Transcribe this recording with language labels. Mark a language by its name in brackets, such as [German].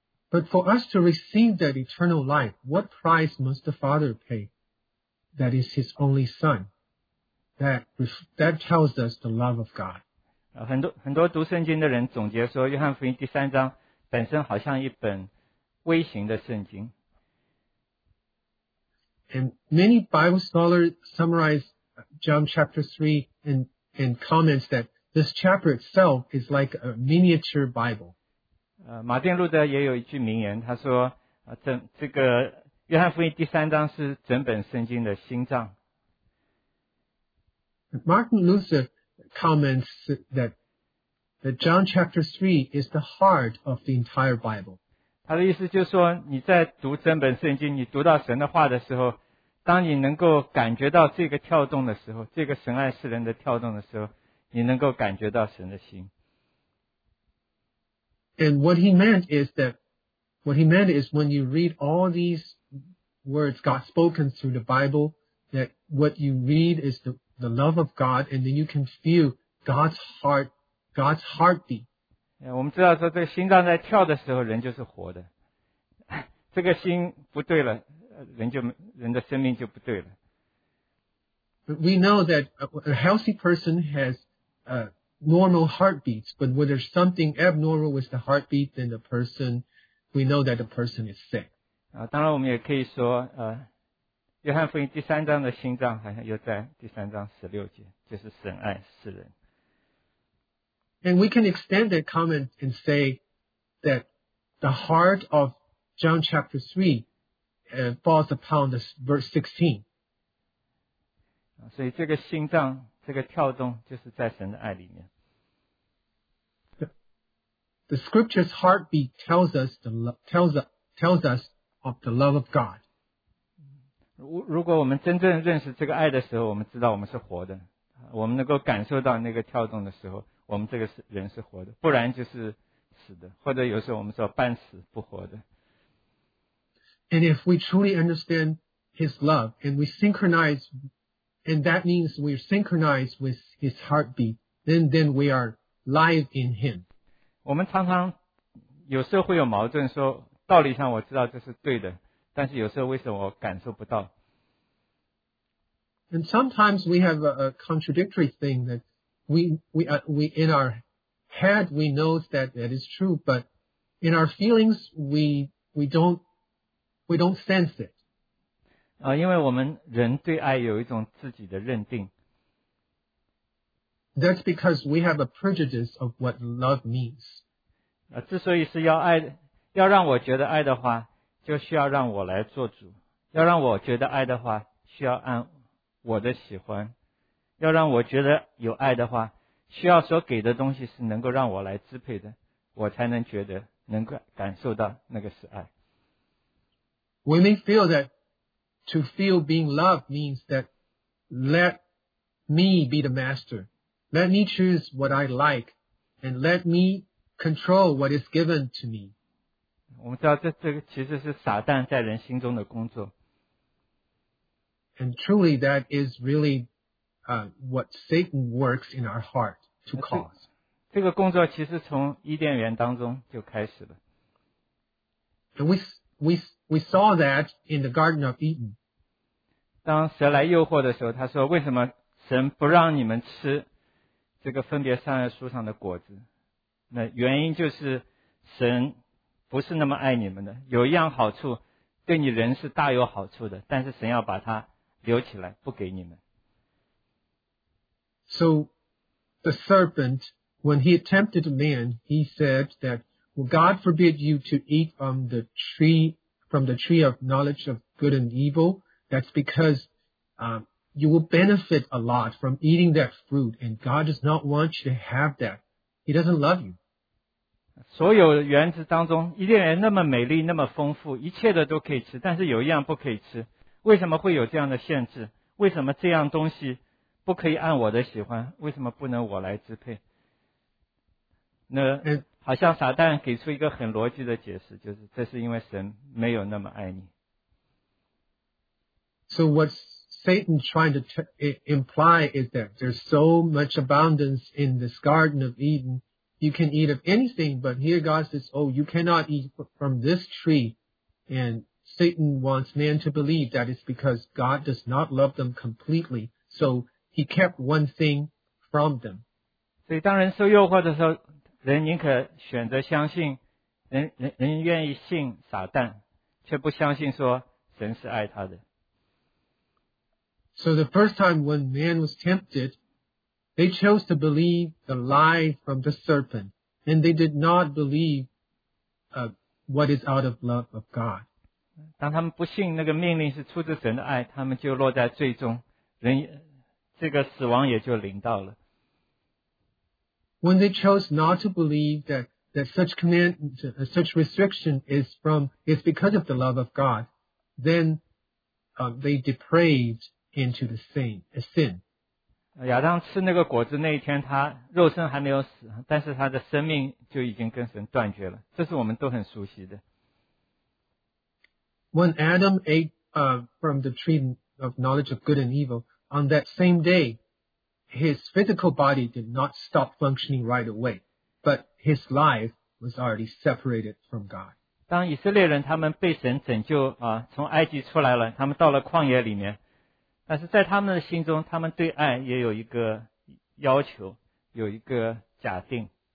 [English] But for us to receive that eternal life, what price must the Father pay? That is His only Son. That tells us the love of God. [Chinese] 很多读圣经的人总结说，约翰福音第三章本身好像一本微型的圣经。 [English] And many Bible scholars summarize John chapter 3 and comments that this chapter itself is like a miniature Bible. [Chinese] 马丁路德也有一句名言，他说，这个约翰福音第三章是整本圣经的心脏。 [English] Martin Luther comments that John chapter 3 is the heart of the entire Bible. [Chinese] 他的意思就是说，你在读整本圣经，你读到神的话的时候，当你能够感觉到这个跳动的时候，这个神爱世人的跳动的时候，你能够感觉到神的心。 [English] And what he meant is that, what he meant is when you read all these words God spoken through the Bible, that what you read is the love of God, and then you can feel God's heartbeat. [Chinese] Yeah, 我们知道说这个心脏在跳的时候，人就是活的。这个心不对了。人的生命就不对了。 [English] We know that a healthy person has normal heartbeats, but when there's something abnormal with the heartbeat, then the person, we know that the person is sick. [Chinese] 当然我们也可以说，约翰福音第三章的心脏好像又在第三章十六节，就是神爱世人。 [English] And we can extend that comment and say that the heart of John chapter 3falls upon this verse 16. [Chinese] 所以这个心脏这个跳动就是在神的爱里面。 [English] The scripture's heartbeat tells us of the love of God. [Chinese] 如果我们真正认识这个爱的时候，我们知道我们是活的，我们能够感受到那个跳动的时候，我们这个人是活的，不然就是死的，或者有时候我们说半死不活的。 [English] And if we truly understand His love, and we synchronize, and that means we're synchronized with His heartbeat, then we are live in Him. [Chinese] 我们常常有时候会有矛盾，说道理上我知道这是对的，但是有时候为什么我感受不到？ [English] And sometimes we have a contradictory thing that we in our head we know that is true, but in our feelings we don't sense it. [Chinese] 因为我们人对爱有一种自己的认定。 [English] That's because we have a prejudice of what love means. [Chinese] 之所以是要爱，要让我觉得爱的话，就需要让我来做主。要让我觉得爱的话，需要按我的喜欢。要让我觉得有爱的话，需要所给的东西是能够让我来支配的，我才能觉得，能够感受到那个是爱。 [English] We may feel that to feel being loved means that let me be the master. Let me choose what I like. and let me control what is given to me. [Chinese] 我们知道这其实是撒旦在人心中的工作。 [English] And truly, that is really, what Satan works in our heart to cause. [Chinese] 这个工作其实从伊甸园当中就开始了。 [English] And we saw that in the Garden of Eden. [Chinese] 当蛇来诱惑的时候，他说：“为什么神不让你们吃这个分别善恶树上的果子？” 那原因就是神不是那么爱你们的，有一样好处对你人是大有好处的，但是神要把它留起来，不给你们。 [English] So the serpent, when he tempted man, he said that, "Will God forbid you to eat from the tree of knowledge of good and evil? That's because, you will benefit a lot from eating that fruit, and God does not want you to have that. He doesn't love you." [Chinese] 所有园子当中，伊甸园那么美丽，那么丰富，一切的都可以吃，但是有一样不可以吃。为什么会有这样的限制？为什么这样东西不可以按我的喜欢？为什么不能我来支配？那好像撒旦给出一个很逻辑的解释，就是这是因为神没有那么爱你。 [English] So what Satan trying to imply is that there's so much abundance in this Garden of Eden, you can eat of anything, but here God says, oh, you cannot eat from this tree, and Satan wants man to believe that it's because God does not love them completely, so he kept one thing from them. [Chinese] 所以当人受诱惑的时候，人宁可选择相信，人愿意信撒旦，却不相信说神是爱他的。 [English] So the first time when man was tempted, they chose to believe the lie from the serpent, and they did not believe, what is out of love of God. [Chinese] 当他们不信那个命令是出自神的爱，他们就落在最终人这个死亡也就临到了。 [English] When they chose not to believe that such command, such restriction is because of the love of God, then, they depraved into the sin. [Chinese] 亚当吃那个果子那一天，他肉身还没有死，但是他的生命就已经跟神断绝了，这是我们都很熟悉的。 [English] When Adam ate, from the tree of knowledge of good and evil, on that same day, his physical body did not stop functioning right away, but his life was already separated from God. [Chinese] 当以色列人他们被神拯救啊，从埃及出来了，他们到了旷野里面，但是在他们的心中，他们对爱也有一个要求，有一个假定。